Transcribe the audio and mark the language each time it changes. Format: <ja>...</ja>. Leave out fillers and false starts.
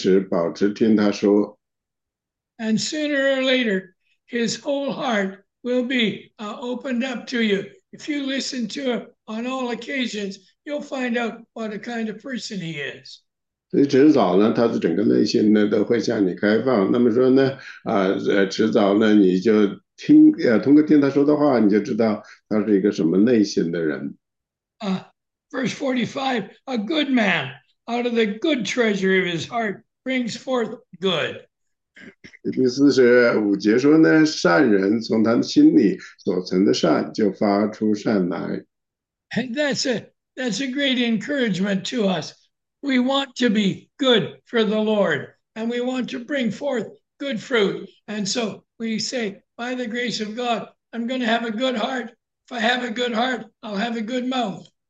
<zh>如果你想知道一个人的内心，那你要怎么做呢？你就去听他说话，你就坚持保持听他说。</zh> <en>And sooner or later, his whole heart will be opened up to you. If you listen to him on all occasions, you'll find out what a kind of person he is.</en> <zh>所以迟早呢，他的整个内心呢都会向你开放。那么说呢，迟早呢，你就听，通过听他说的话，你就知道他是一个什么类型的人。</zh> <en>Verse 45, a good man out of the good treasure of his heart brings forth good.</en> <zh>第45节说呢，善人从他心里所存的善就发出善来。</zh> <en>And that's a great encouragement to us. We want to be good for the Lord, and we want to bring forth good fruit. And so we say, by the grace of God, I'm going to have a good heart. If I have a good heart, I'll have a good mouth.</en>